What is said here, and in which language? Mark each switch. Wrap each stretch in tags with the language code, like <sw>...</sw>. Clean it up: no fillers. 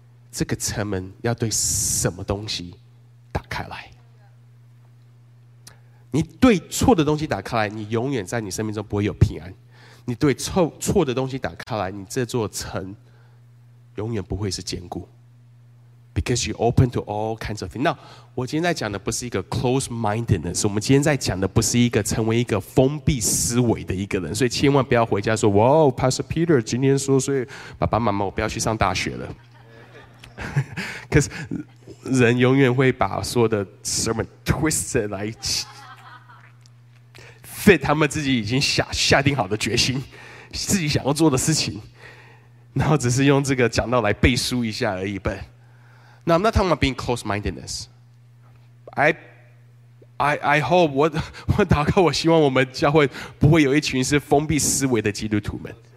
<zh>这个城门要对什么东西打开来？你对错的东西打开来，你永远在你生命中不会有平安。你对错的东西打开来，你这座城永远不会是坚固。</zh> <en>Because you're open to all kinds of things.</en> <zh>Now, 我今天在讲的不是一个 closed-mindedness， 我们今天在讲的不是一个成为一个封闭思维的一个人，所以千万不要回家说，哇 ，Pastor Peter 今天说，所以爸爸妈妈，我不要去上大学了。可是人永远会把所有的</zh> <en>sermon twisted</en> <zh>来 fit 他们自己已经下定好的决心，自己想要做的事情，然后只是用这个讲到来背书一下而已呗。</zh> <en>Now, I'm not talking about being close-mindedness. I hope,</en> <zh>我祷告，我希望我们教会不会有一群是封闭思维的基督徒们。</zh>